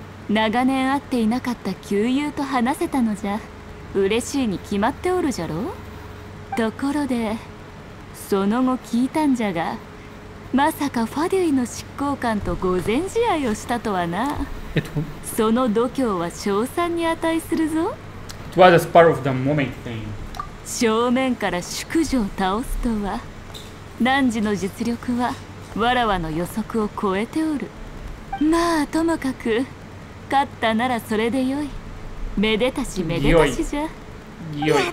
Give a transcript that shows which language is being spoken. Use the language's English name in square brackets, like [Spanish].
[Japanese] 長年会っていなかった旧友と話せたのじゃ。嬉しいに決まっておるじゃろ。ところで、その後聞いたんじゃが、まさかファデュイの執行官と御前試合をしたとはな。その度胸は称賛に値するぞ。 [English] It was a spur of the moment thing. [Japanese] 正面から宿女を倒すとは、汝の実力はわらわの予測を超えておる。まあともかく、勝ったならそれでよい。めでたしめでたしじゃ。よい。